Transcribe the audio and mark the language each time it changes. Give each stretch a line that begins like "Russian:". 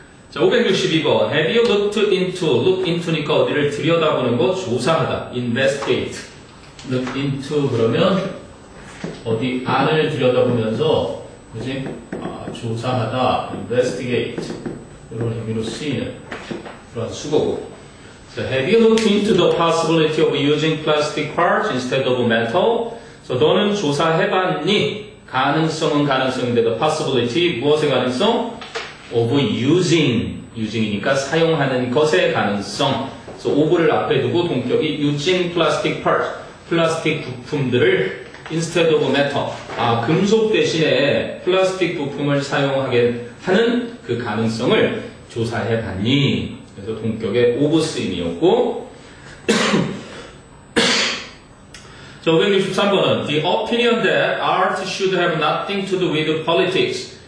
Korean: 자, 562번.
English: Have you looked into,
Korean: look into니까 어디를 들여다보는 거? 조사하다. Investigate. Look into, 그러면, 어디 안을 들여다보면서, 그지? 아, 조사하다. Investigate. 이런 의미로 쓰이는 그런 수거고.
English: So, have you looked into the possibility of using plastic parts instead of metal?
Korean: So, 너는 조사해봤니? 가능성은 가능성인데, the possibility, 무엇의 가능성? of using, using이니까 사용하는 것의 가능성. So, of를 앞에 두고 동격이
English: using plastic parts,
Korean: 플라스틱 부품들을
English: instead of metal,
Korean: 아, 금속 대신에 플라스틱 부품을 사용하게 하는 그 가능성을 조사해 봤니? 그래서 동격의 of 쓰임이었고. 자, 563번은
English: The opinion that art should have nothing to do with politics.